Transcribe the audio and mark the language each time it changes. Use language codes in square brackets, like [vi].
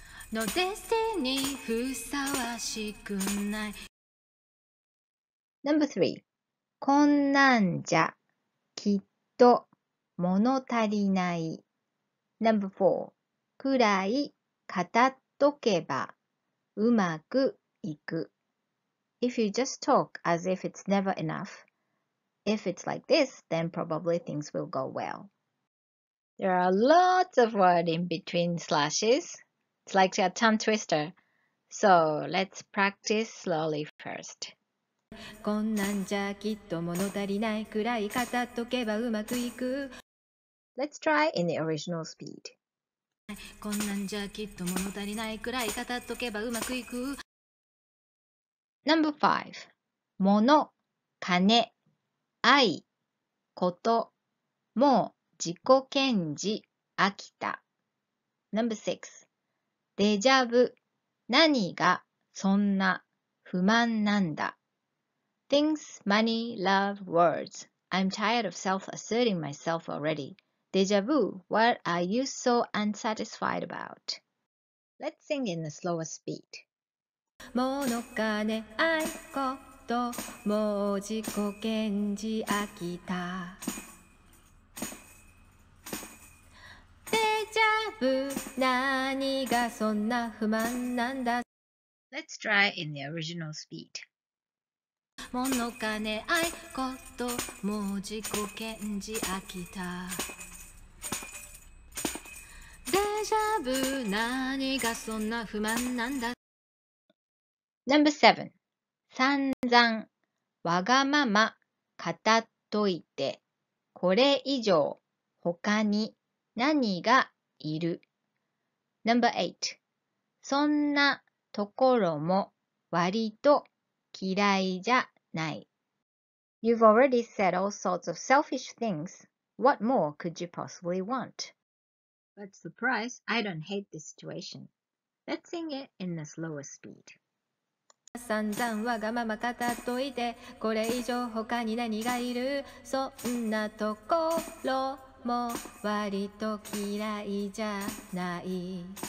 [en] No destiny [ja] ふさわしくない。 [en] Number 3. [ja] こんなんじゃ、きっとと、物足りない。 [en] Number 4. [ja] くらい、語っとけば、うまくいく。 [en] If you just talk as if it's never enough, if it's like this, then probably things will go well. There are lots of words in between slashes. It's like a tongue twister. So, let's practice slowly first. [ja] こんなんじゃきっと物足りないくらい語っとけばうまくいく。 [en] Let's try in the original speed. [ja] こんなんじゃきっと物足りないくらい語っとけばうまくいく。 [en] Number 5. [ja] 物、金、愛、こと、もう自己顕示、飽きた。 [en] Number 6. [ja] デジャブ、何がそんな不満なんだ。 [en] Things, money, love, words. I'm tired of self-asserting myself already. Deja vu, what are you so unsatisfied about? Let's sing in a slower speed. [ja] もの金愛こともう自己顕示飽きた。デジャブ何がそんな不満なんだ。 [en] Let's try in the original speed. [ja] もの金愛こともう自己顕示飽きた。デジャブ何がそんな不満なんだ。 [en] Number 7. [ja] さんざんわがまま語っといてこれ以上他に何がいる。 [en] Number 8. [ja] そんなところも割と嫌いじゃ。 [en] You've already said all sorts of selfish things. What more could you possibly want? But surprise, I don't hate this situation. Let's sing it in a slower speed. [ja] さんざんわがまま語っといてこれ以上他に何がいる。そんなところも割と嫌いじゃない。